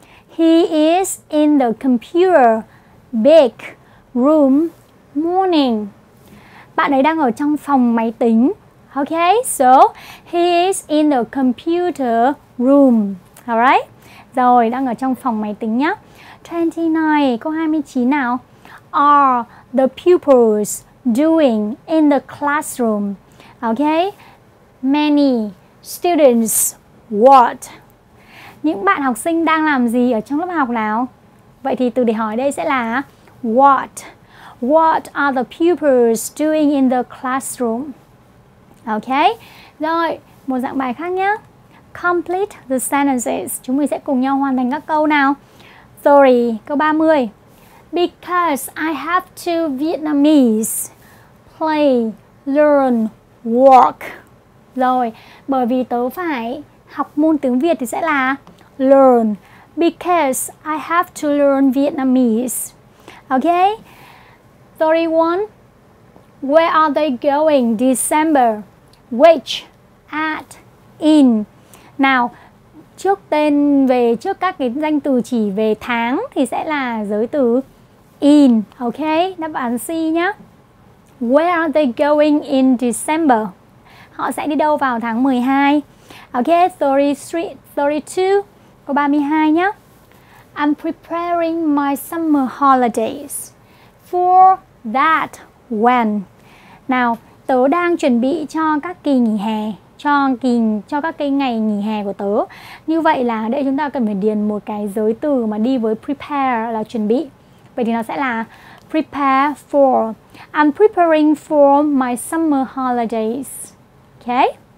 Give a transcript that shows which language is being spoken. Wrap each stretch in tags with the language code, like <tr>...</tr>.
<en>He is in the computer big room morning.</en> <vi>Bạn ấy đang ở trong phòng máy tính.</vi> <en>Ok, so he is in the computer room. Alright.</en> <vi>Rồi, đang ở trong phòng máy tính nhá.</vi> <en>29,</en> <vi>câu 29 nào.</vi> <en>Are the pupils doing in the classroom? Ok. Many students, what?</en> <vi>Những bạn học sinh đang làm gì ở trong lớp học nào? Vậy thì từ để hỏi đây sẽ là what?</vi> <en>What are the pupils doing in the classroom? Ok.</en> <vi>Rồi, một dạng bài khác nhé.</vi> <en>Complete the sentences.</en> <vi>Chúng mình sẽ cùng nhau hoàn thành các câu nào.</vi> <en>Sorry,</en> <vi>câu 30.</vi> <en>Because I have to Vietnamese play, learn, work.</en> <vi>Rồi, bởi vì tớ phải học môn tiếng Việt thì sẽ là learn.</vi> <en>Because I have to learn Vietnamese. Okay? 31. Where are they going December? Which, at, in?</en> <vi>Now, trước tên về, trước các cái danh từ chỉ về tháng thì sẽ là giới từ in.</vi> <en>Okay?</en> <vi>Đáp án C nhá.</vi> <en>Where are they going in December?</en> <vi>Họ sẽ đi đâu vào tháng 12? Okay, 33, 32. Câu 32 nhá.</vi> <en>I'm preparing my summer holidays for that when.</en> <vi>Nào, tớ đang chuẩn bị cho các kỳ nghỉ hè, cho các cái ngày nghỉ hè của tớ. Như vậy là ở đây chúng ta cần phải điền một cái giới từ mà đi với prepare là chuẩn bị. Vậy thì nó sẽ là prepare for.</vi> <en>I'm preparing for my summer holidays. Okay?</en>